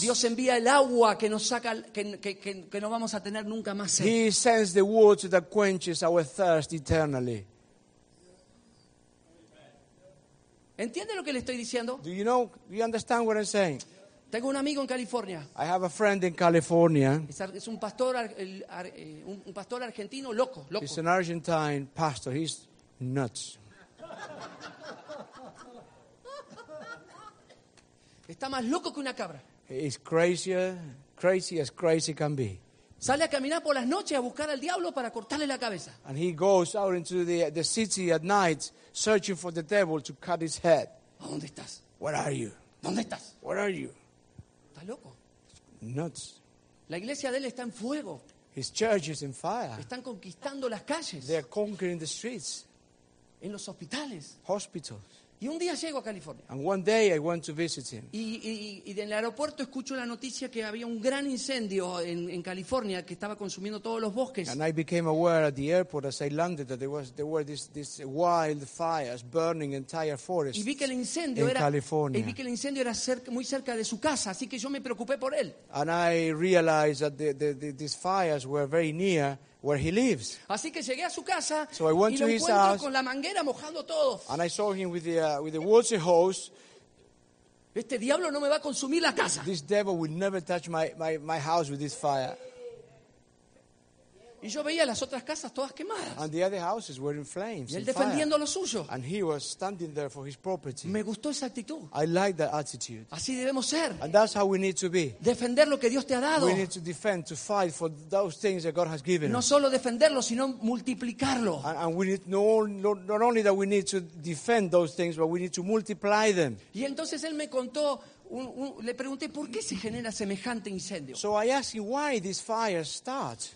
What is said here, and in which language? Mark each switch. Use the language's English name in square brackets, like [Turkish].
[Spanish] Dios envía el agua que nos saca, que no vamos a tener nunca más sed. [English] He sends the water that quenches our thirst eternally. [Spanish] ¿Entiende lo que le estoy diciendo? [English] Do you know, you understand what I'm saying? [Spanish] Tengo un amigo en California. [English] I have a friend in California. [Spanish] Es un pastor, un pastor argentino loco, loco. [English] He's an Argentine pastor. He's nuts. [Spanish] Está más loco que una cabra. [English] He's crazy as crazy can be. [Spanish] Sale a caminar por las noches a buscar al diablo para cortarle la cabeza. [English] And he goes out into the city at night searching for the devil to cut his head. [Spanish] ¿Dónde estás? [English] Where are you? [Spanish] ¿Dónde estás? [English] Where are you? [Spanish] ¿Está loco? [English] Nuts. [Spanish] La iglesia de él está en fuego. [English] His church is in fire. [Spanish] Están conquistando las calles. [English] They are conquering the streets. [Spanish] En los hospitales. [English] Hospitals. [Spanish] Y un día llego a California. [English] And one day I went to visit him. [Spanish] Y en el aeropuerto escucho la noticia que había un gran incendio en California que estaba consumiendo todos los bosques. [English] And I became aware at the airport as I landed that there were these wild fires burning entire forests. [Spanish] Y vi que el incendio [English] in [Spanish] era [English] California. [Spanish] Y vi que el incendio era cerca, muy cerca de su casa, así que yo me preocupé por él. [English] And I realized that these fires were very near where he lives. [Spanish] Así que llegué a su casa, [English] so I went [Spanish] y [English] to [Spanish] lo [English] his house [Spanish] con la manguera mojando todo. [English] And I saw him with the water hose. [Spanish] Este diablo no me va a consumir la casa. [English] This devil will never touch my house with this fire. [Spanish] Y yo veía las otras casas todas quemadas. [English] And the other houses were in flames. [Spanish] Y él defendiendo [English] fire. [Spanish] Lo suyo. [English] And he was standing there for his property. [Spanish] Me gustó esa actitud. [English] I like that attitude. [Spanish] Así debemos ser. [English] And that's how we need to be. [Spanish] Defender lo que Dios te ha dado. [English] We need to defend, to fight for those things that God has given. [Spanish] No solo defenderlo, sino multiplicarlo. [English] And we need not only that we need to defend those things, but we need to multiply them. [Spanish] Y entonces él me contó. Le pregunté por qué se genera semejante incendio. [English] So I asked him why this fire starts.